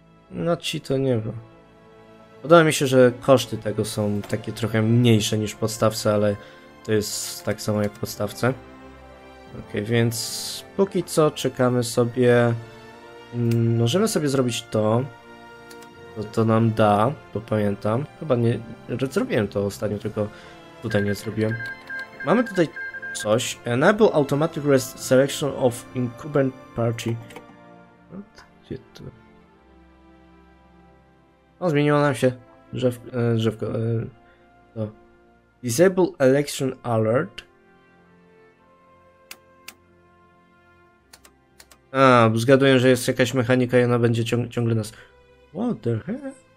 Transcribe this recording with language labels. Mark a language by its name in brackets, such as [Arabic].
[Polish] No ci to nie wiem. Podoba mi się, że koszty tego są takie trochę mniejsze niż podstawce, ale to jest tak samo jak podstawce. Okej, więc póki co czekamy sobie. Możemy sobie zrobić to. Co to nam da, bo pamiętam. Chyba nie. Zrobiłem to ostatnio, tylko tutaj nie zrobiłem. Mamy tutaj coś. [English] Enable automatic selection of incumbent party. [Polish] Gdzie to? O, zmieniło nam się drzewko. To. [English] Disable election alert. [Polish] A, zgaduję, że jest jakaś mechanika i ona będzie ciągle nas... [English] What the hell?